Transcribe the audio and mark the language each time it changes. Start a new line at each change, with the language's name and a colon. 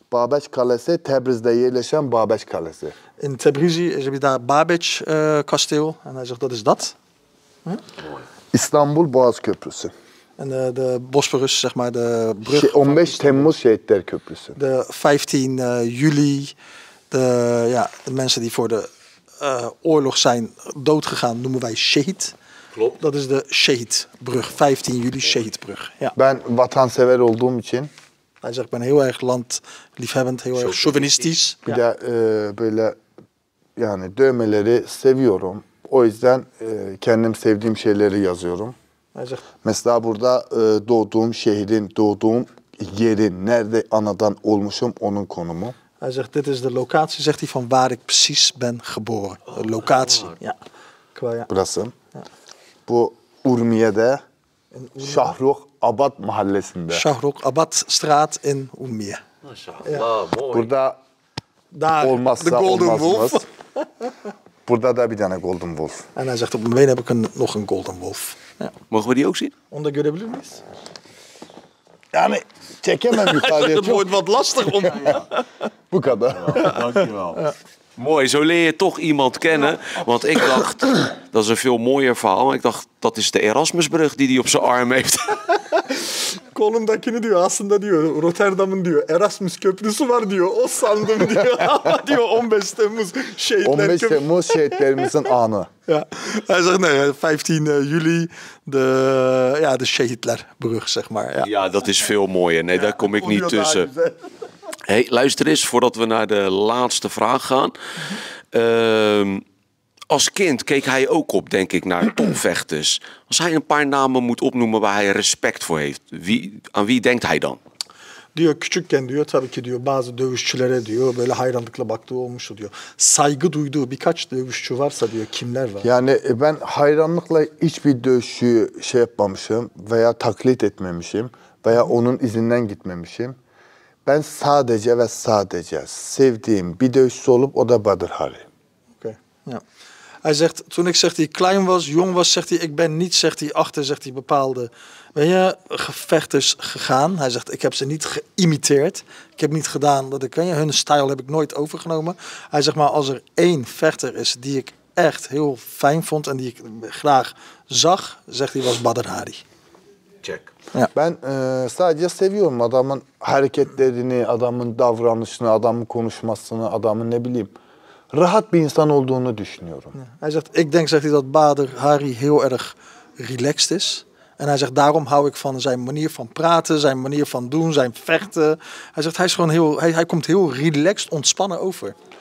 Turkish: Babeç Kalesi Tebriz'de yerleşen Babeç Kalesi.
Dutch: In Tebrizi is
Turkish: bir daha
Dutch: Babeç kasteel. En hij zegt dat is dat.
Turkish: İstanbul Boğaz Köprüsü.
Dutch: En de Bosporus, zeg maar de brug.
Turkish: 15 Temmuz Şehitler Köprüsü.
Dutch: De 15 juli. De, ja, de mensen die voor de oorlog zijn doodgegaan noemen wij Şehit. Klopt. Dat is de Şehitbrug, 15 juli Şehitbrug. Ja.
Turkish: Ben vatansever olduğum için.
Dutch: Hij zegt, ik ben heel erg landliefhebbend, heel erg chauvinistisch.
Turkish: Bir de böyle yani dövmeleri seviyorum. O yüzden kendim sevdiğim şeyleri yazıyorum.
Dutch: Hij zegt.
Turkish: Mesela burada doğduğum şehrin, doğduğum yerin, nerede anadan olmuşum, onun konumu.
Dutch: Hij zegt, dit is de locatie, zegt hij, van waar ik precies ben geboren. Locatie. Ja.
Turkish: Ja. Burası. Bu Urmiye'de Şahruk Abad Mahallesi'nde.
Dutch: Şahruk Abad Straat in Urmiye.
Turkish: Maşallah, ya.
Dutch: Mooi.
Turkish: Burada daar, olmazsa the golden olmazmaz. Wolf. Burada da bir tane Golden Wolf.
Dutch: En hij zegt, op mijn been heb ik nog een Golden Wolf. Ja. Mogen we die ook zien?
Turkish: Onda görebilir miyiz? Yani çekemem yukarıya.
Dutch: Het wordt wat lastig om.
Turkish: Bu kadar.
Dutch: Dankjewel. Ja. Mooi, zo leer je toch iemand kennen. Want ik dacht, dat is een veel mooier verhaal. Maar ik dacht, dat is de Erasmusbrug die hij op zijn arm heeft.
Turkish: Kolumdakini diyor, aslında diyor, Rotterdam'ın diyor, Erasmus köprüsü var diyor, o sandım diyor. Diyor, 15 Temmuz şehitler köprüsü. 15 Temmuz şehitlerimizin anı.
Dutch: Ja, hij zegt, nee, 15 juli, de, ja, de şehitlerbrug, zeg maar. Ja, ja, dat is veel mooier. Nee, ja, daar kom ik niet tussen. Hey, luister eens, voordat we naar de laatste vraag gaan. Als kind keek hij ook op, denk ik, naar topvechters. Als hij een paar namen moet opnoemen waar hij respect voor heeft, aan wie denkt hij dan?
Turkish: Diyor küçükken diyor tabii ki diyor bazı dövüşçülere diyor böyle hayranlıkla baktığı olmuştu diyor. Saygı duyduğu birkaç dövüşçü varsa diyor kimler var? Yani ben hayranlıkla hiçbir dövüşçüyü şey yapmamışım veya taklit etmemişim veya onun izinden gitmemişim. Ben sadece ve sadece sevdiğim bir dövüşçü olup o da Badr Hari.
Dutch: Okay. Ja. Hij zegt toen ik zegt hij klein was, jong was, zegt hij ik ben niet, zegt hij achter, zegt hij bepaalde ben je gevechters gegaan. Hij zegt ik heb ze niet geïmiteerd, ik heb niet gedaan dat ik ken je hun stijl heb ik nooit overgenomen. Hij zegt maar als er één vechter is die ik echt heel fijn vond en die ik graag zag, zegt hij was Badr Hari. Check. Ja.
Turkish: Ben sadece seviyorum adamın hareketlerini, adamın davranışını, adamın konuşmasını, adamın ne bileyim. Rahat bir insan olduğunu düşünüyorum.
Dutch: Hij zegt, ik denk, zegt hij, dat Badr Hari heel erg relaxed is. En hij zegt, daarom hou ik van zijn manier van praten, zijn manier van doen, zijn vechten. Hij zegt, hij is gewoon heel, hij komt heel relaxed, ontspannen over.